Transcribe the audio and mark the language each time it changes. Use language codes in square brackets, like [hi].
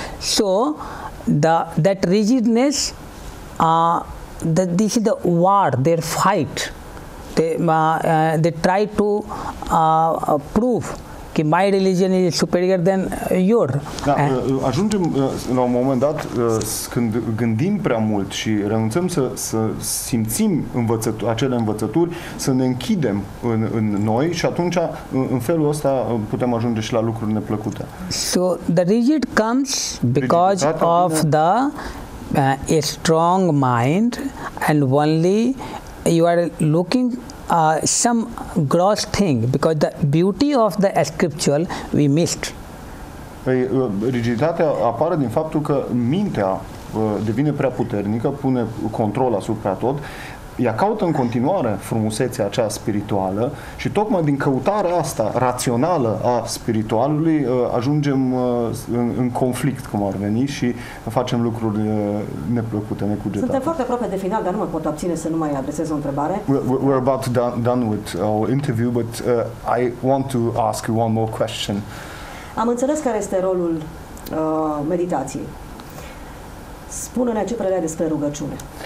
[en] So that rigidness, that this is the war, their fight. They try to prove ki my religion is superior than your. [ro] Da, ajungem la un moment dat când gândim prea mult și renunțăm să simțim acele învățături, să ne închidem în noi și atunci în felul ăsta putem ajunge și la lucruri neplăcute. [en] So the rigid comes because of the a strong mind and only you are looking some gross thing because the beauty of the scriptural we missed. [ro] Rigiditatea apare din faptul că mintea devine prea puternică, pune control asupra tot. Ea caută în continuare frumusețea aceea spirituală și tocmai din căutarea asta rațională a spiritualului ajungem în conflict, cum ar veni, și facem lucruri neplăcute, necugetate. Suntem foarte aproape de final, dar nu mă pot abține să nu mai adresez o întrebare. [en] We're about done with our interview, but I want to ask you one more question. [ro] Am înțeles care este rolul meditației. Spune-ne ce părere ai despre rugăciune.